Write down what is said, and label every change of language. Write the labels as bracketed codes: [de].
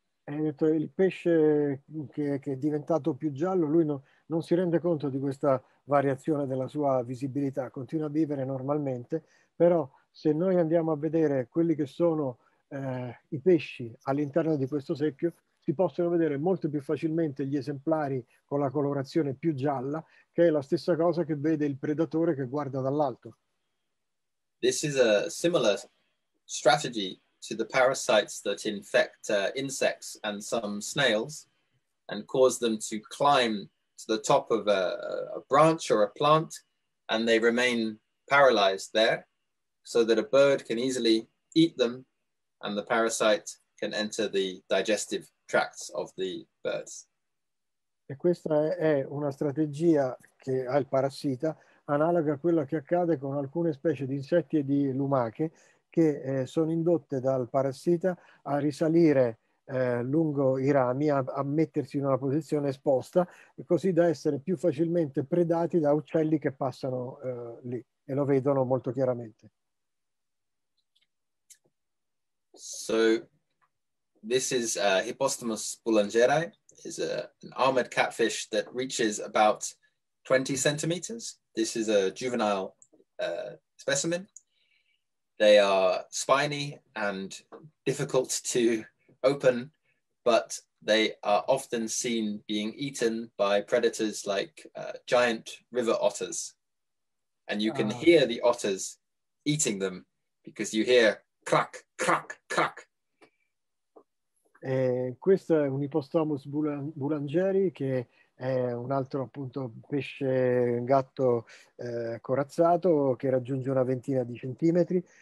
[it] Il pesce che è diventato più giallo, lui non si rende conto di questa variazione della sua visibilità, continua a vivere normalmente, però se noi andiamo a vedere quelli che sono i pesci all'interno di questo secchio, si possono vedere molto più facilmente gli esemplari con la colorazione più gialla, che è la stessa cosa che vede il predatore che guarda dall'alto. [en] This is a similar strategy to the parasites that infect insects and some snails and cause them to climb to the top of a branch or a plant, and they remain paralyzed there so that a bird can easily eat them and the parasite can enter the digestive tracts of the birds. [it] E questa è una strategia che ha il parassita, analoga a quella che accade con alcune specie di insetti e di lumache, che sono indotte dal parassita a risalire lungo i rami, a mettersi in una posizione esposta, e così da essere più facilmente predati da uccelli che passano lì e lo vedono molto chiaramente. [en] So this is Hippostomus boulangeri, is an armored catfish that reaches about 20 centimeters. This is a juvenile specimen. They are spiny and difficult to open, but they are often seen being eaten by predators like giant river otters. And you can hear the otters eating them because you hear crack, crack, crack. [it] Questo è un Hippostomus boulangeri, che è un altro appunto pesce gatto corazzato che raggiunge una ventina di centimetri.